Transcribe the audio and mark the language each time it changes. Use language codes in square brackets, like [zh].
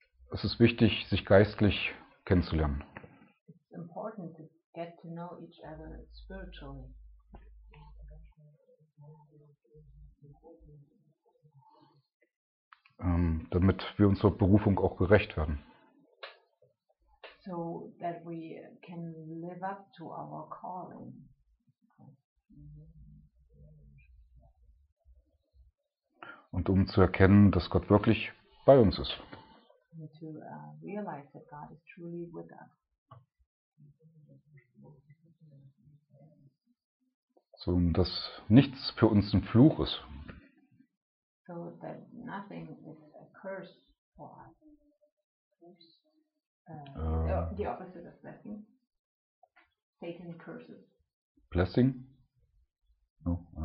[de] Es ist wichtig, sich geistlich kennenzulernen. [en] It's important to get to know each other spiritually. [de] Damit wir unserer Berufung auch gerecht werden. [en] So that we can live up to our calling. [de] und um zu erkennen, dass Gott wirklich bei uns ist. [en] To realize that God is truly with us. [de] So, dass nichts für uns ein Fluch ist. [en] So that nothing is a curse for us. The opposite of blessing. Satan curses. Blessing? No.